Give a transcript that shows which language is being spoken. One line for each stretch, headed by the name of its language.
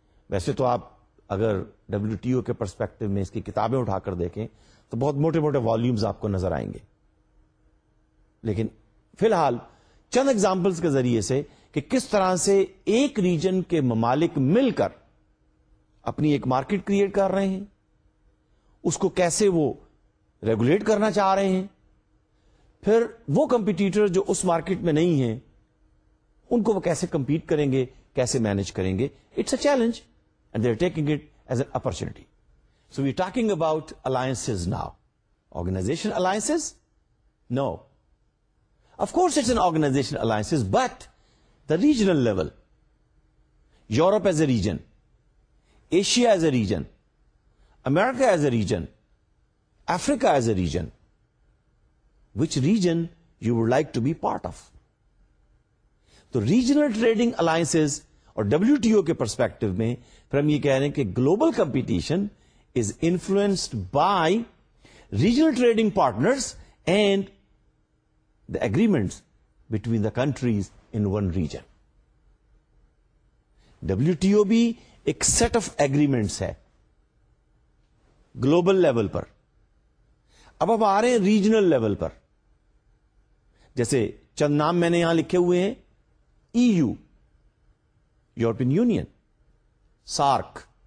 Urdu: ویسے تو آپ اگر ڈبلو ٹی او کے پرسپیکٹو میں اس کی کتابیں اٹھا کر دیکھیں تو بہت موٹے موٹے والیومز آپ کو نظر آئیں گے, لیکن فی الحال چند ایگزامپلز کے ذریعے سے کہ کس طرح سے ایک ریجن کے ممالک مل کر اپنی ایک مارکیٹ کریٹ کر رہے ہیں, اس کو کیسے وہ ریگولیٹ کرنا چاہ رہے ہیں, پھر وہ کمپیٹیٹر جو اس مارکیٹ میں نہیں ہیں ان کو وہ کیسے کمپیٹ کریں گے, کیسے مینج کریں گے.
English: It's a challenge and they are taking it as an opportunity. So we talking about alliances now, organization alliances. No, of course it's an organization alliances, but the regional level, Europe as a region, Asia as a region, America as a region, Africa as a region, which region you would like to be part of. The regional trading alliances or WTO
Urdu: ke perspective mein hum ye keh rahe hain ki
English: global competition is influenced by regional trading partners and the agreements between the countries in one region.
Urdu: WTO بھی ایک set of agreements ہے global level پر. اب آپ آ رہے ہیں regional level پر, جیسے چند نام میں نے یہاں لکھے ہوئے ہیں, EU, یورپین یونین, سارک.